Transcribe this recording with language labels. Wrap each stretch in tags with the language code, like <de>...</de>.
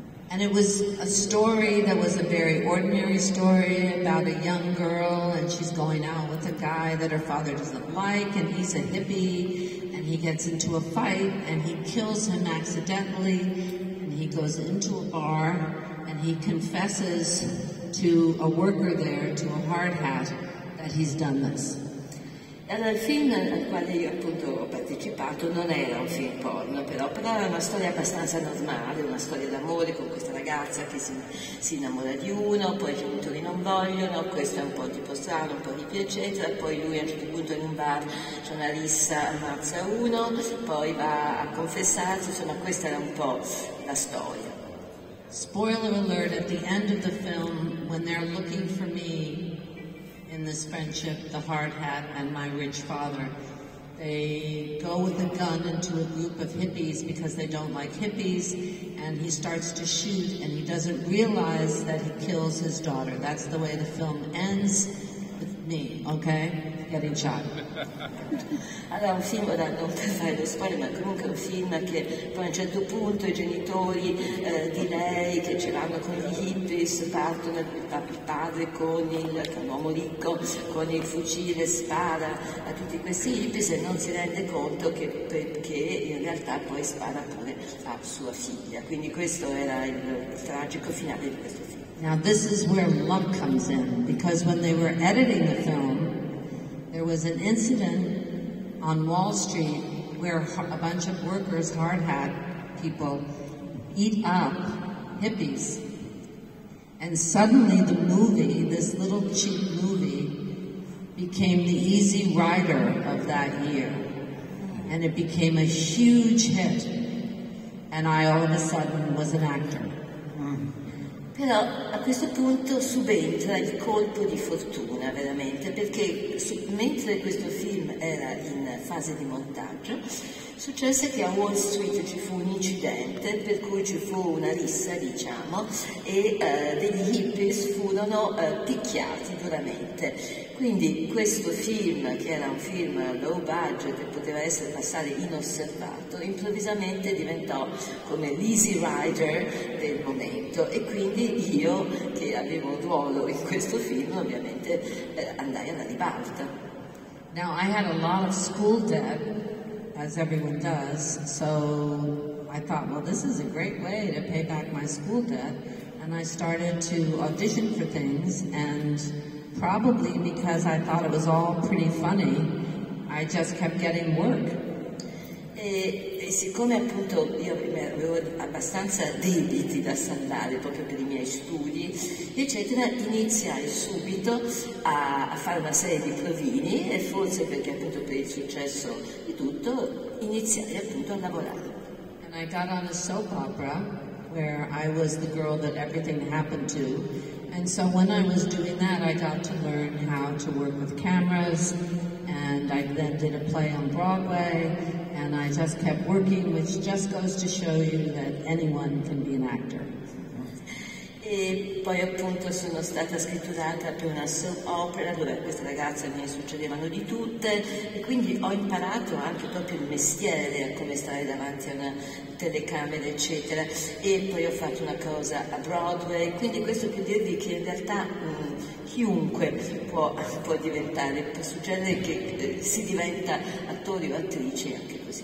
<en>And it was a story that was a very ordinary story about a young girl and she's going out with a guy that her father doesn't like and he's a hippie and he gets into a fight and he kills him accidentally and he goes into a bar and he confesses to a worker there, to a hard hat, that he's done this.</en> <it>Allora, il film al quale io appunto ho partecipato non era un film porno, però era una storia abbastanza normale, una storia d'amore con questa ragazza che si innamora di uno, poi i genitori non vogliono, questo è un po' tipo strano, un po' di più, eccetera, poi lui a un certo punto in un bar c'è una rissa, ammazza uno, poi va a confessarsi, insomma questa era un po' la storia.</it> <en>Spoiler alert, at the end of the film, when they're looking for me, in this friendship, the hard hat and my rich father. They go with a gun into a group of hippies because they don't like hippies, and he starts to shoot and he doesn't realize that he kills his daughter. That's the way the film ends with me, okay? Getting shot.</en> <it>Allora, un film, ora non per fare lo spoiler, ma comunque un film che poi a un certo punto i genitori di lei che ce l'hanno con gli hippies partono, il padre con un uomo ricco, con il fucile, spara a tutti questi hippies e non si rende conto che in realtà poi spara pure a sua figlia. Quindi questo era il tragico finale di questo film.</it> <en>Now this is where love comes in, because when they were editing the film, there was an incident on Wall Street where a bunch of workers, hard hat people, eat up hippies. And suddenly the movie, this little cheap movie, became the easy rider of that year. And it became a huge hit. And I all of a sudden was an actor.</en> <it>Però a questo punto subentra il colpo di fortuna veramente, perché mentre questo film era in fase di montaggio, successe che a Wall Street ci fu un incidente per cui ci fu una rissa, diciamo, e degli hippies furono picchiati duramente. Quindi questo film, che era un film low budget e poteva essere passare inosservato, improvvisamente diventò come l'easy rider del momento. E quindi io, che avevo un ruolo in questo film, ovviamente andai alla ribalta.</it> <en>Now, I had a lot of school debt, as everyone does, so I thought, well, this is a great way to pay back my school debt. And I started to audition for things, and probably because I thought it was all pretty funny, I just kept getting work.</en> <it>E siccome appunto io avevo abbastanza debiti da saldare proprio per i miei studi, eccetera, iniziai subito a fare una serie di provini e forse perché appunto per il successo di tutto, iniziai appunto a lavorare.</it> <en>And I got on a soap opera where I was the girl that everything happened to. And so when I was doing that, I got to learn how to work with cameras, and I then did a play on Broadway, and I just kept working, which just goes to show you that anyone can be an actor.</en> <it>E poi appunto sono stata scritturata per una soap opera dove queste ragazze mi succedevano di tutte e quindi ho imparato anche proprio il mestiere, come stare davanti a una telecamera eccetera, e poi ho fatto una cosa a Broadway, quindi questo per dirvi che in realtà chiunque può diventare, può succedere che si diventa attori o attrici anche.</it>